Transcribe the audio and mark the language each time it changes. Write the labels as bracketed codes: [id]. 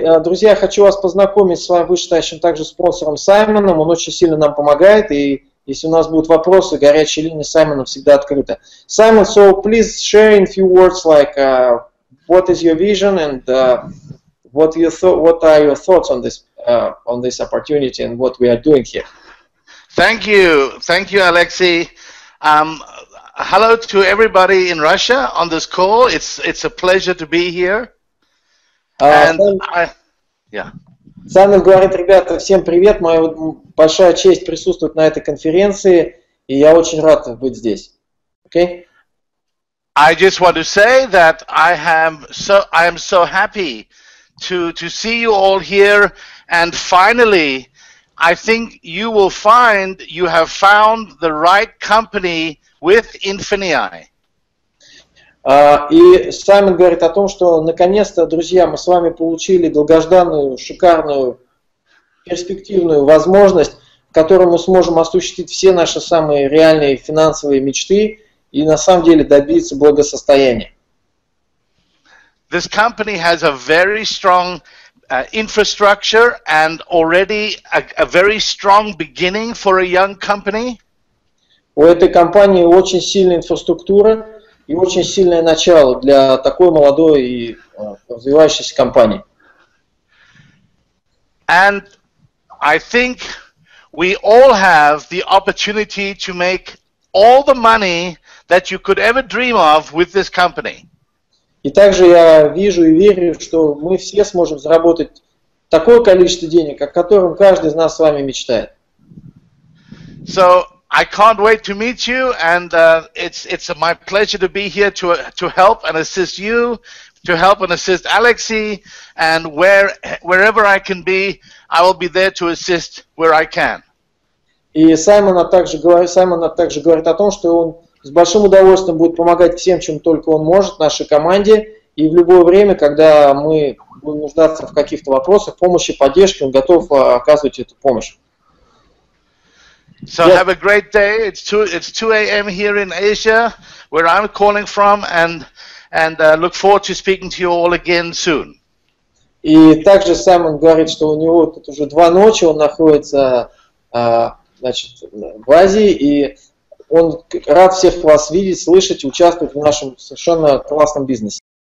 [ru] Друзья, хочу вас познакомить с вами вышестоящим также спонсором Саймоном. Он очень сильно нам помогает, и если у нас будут вопросы, горячая линия Саймона всегда открыта. [en] Simon, so please share in few words, like, what is your vision and what are your thoughts on this opportunity and what we are doing here? Thank you, Alexey. Hello to everybody in Russia on this call. It's a pleasure to be here. [ru] Саймон говорит, ребята, всем привет. Моя большая честь присутствовать на этой конференции, и я очень рад быть здесь. [en] Okay? I just want to say that I am so happy to see you all here, and finally, I think you will find you have found the right company with Infinii. [ru] И Саймон говорит о том, что наконец-то, друзья, мы с вами получили долгожданную, шикарную, перспективную возможность, в которой мы сможем осуществить все наши самые реальные финансовые мечты и на самом деле добиться благосостояния. [en] This company has a very strong infrastructure and already a very strong beginning for a young company. [ru] У этой компании очень сильная инфраструктура и очень сильное начало для такой молодой и развивающейся компании. [en] And I think we all have the opportunity to make all the money that you could ever dream of with this company. [ru] И также я вижу и верю, что мы все сможем заработать такое количество денег, о котором каждый из нас с вами мечтает. [en] So I can't wait to meet you, and it's my pleasure to be here to help and assist you, to help and assist Alexey, and wherever I can be, I will be there to assist where I can. [ru] И Саймон также говорит о том, что он с большим удовольствием будет помогать всем, чем только он может, нашей команде, и в любое время, когда мы будем нуждаться в каких-то вопросах, помощи, поддержке, он готов оказывать эту помощь. [en] So yes. Have a great day. It's 2 a.m. here in Asia, where I'm calling from, and look forward to speaking to you all again soon. [ru] И также Саймон говорит, что у него тут уже два ночи, он находится в Азии, и он рад всех вас видеть, слышать, участвовать в нашем совершенно классном бизнесе.